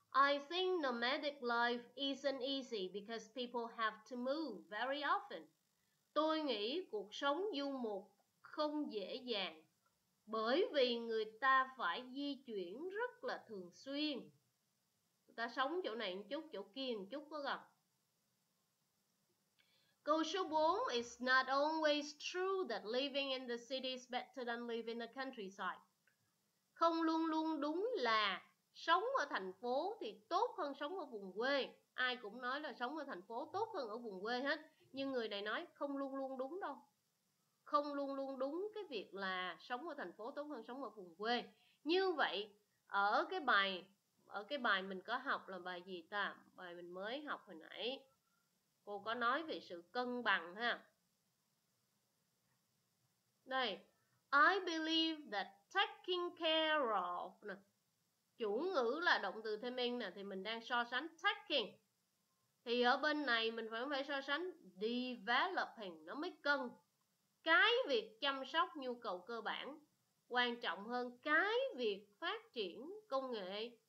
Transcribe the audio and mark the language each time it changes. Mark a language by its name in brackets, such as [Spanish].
[English] I think nomadic life isn't easy because people have to move very often. [Vietnamese] Tôi nghĩ cuộc sống du mục không dễ dàng bởi vì người ta phải di chuyển rất là thường xuyên. Người ta sống chỗ này một chút, chỗ kia một chút có gặp. Câu số 4, [English] it's not always true that living in the city is better than living in the countryside. [Vietnamese] Không luôn luôn đúng là sống ở thành phố thì tốt hơn sống ở vùng quê. Ai cũng nói là sống ở thành phố tốt hơn ở vùng quê hết. Nhưng người này nói không luôn luôn đúng đâu. Không luôn luôn đúng cái việc là sống ở thành phố tốt hơn sống ở vùng quê. Như vậy ở cái bài mình có học là bài gì ta? Bài mình mới học hồi nãy. Cô có nói về sự cân bằng ha. Đây, [English] I believe that taking care of [Vietnamese] nè. Chủ ngữ là động từ thêm in nè, thì mình đang so sánh taking. Thì ở bên này mình phải so sánh developing, nó mới cân. Cái việc chăm sóc nhu cầu cơ bản quan trọng hơn cái việc phát triển công nghệ.